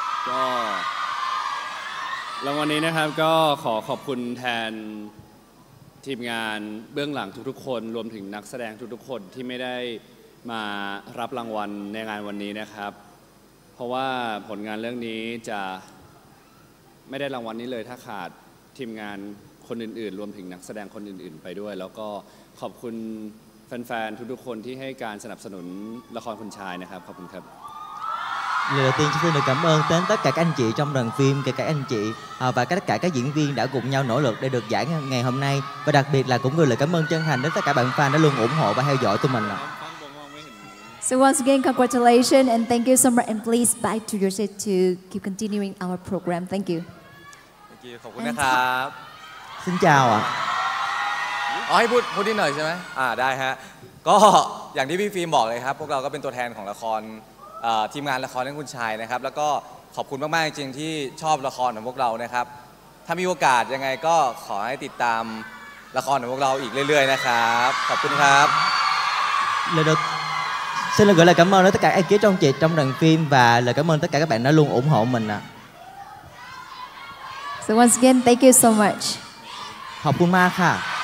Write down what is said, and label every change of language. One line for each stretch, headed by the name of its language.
Thai: ก็รางวัลนี้นะครับก็ขอขอบคุณแทนทีมงานเบื้องหลังทุกๆคนรวมถึงนักแสดงทุกๆคนที่ไม่ได้มารับรางวัลในงานวันนี้นะครับเพราะว่าผลงานเรื่องนี้จะไม่ได้รางวัลนี้เลยถ้าขาดทีมงานคนอื่นๆรวมถึงนักแสดงคนอื่นๆไปด้วยแล้วก็ขอบคุณแฟนๆทุกๆคนที่ให้การสนับสนุนละครคุณชายนะครับขอบคุณครับ
Vietnamese: Lời đầu tiên xin được cảm ơn đến tất cả các anh chị trong đoàn phim, kể cả anh chị và tất cả các diễn viên đã cùng nhau nỗ lực để được giải ngày hôm nay, và đặc biệt là cũng gửi lời cảm ơn chân thành đến tất cả bạn fan đã luôn ủng hộ và theo dõi tụi mình.
English: So once again, congratulations and thank you so much, and please back to your seat to keep continuing our program. Thank you. Thank you.
Thai: ขอบคุณนะครับ สวัสดีครับ ให้พูดนิดหน่อยใช่ไหมได้ฮะก็อย่างที่พี่ฟิล์มบอกเลยครับพวกเราก็เป็นตัวแทนของละครทีมงานละครเรื่องคุณชายนะครับแล้วก็ขอบคุณมากๆจริงๆที่ชอบละครของพวกเรานะครับถ้ามีโอกาสยังไงก็ขอให้ติดตามละครของพวกเราอีกเรื่อยๆนะครับขอบคุณครับ เลยเด้อ
Vietnamese: Xin lời gửi lời cảm ơn đến tất cả ekip trong chị trong đoàn phim và lời cảm ơn tất cả các bạn đã luôn ủng hộ mình ạ.
English: So once again, thank you so much.
Vietnamese: Học cùng Ma ha.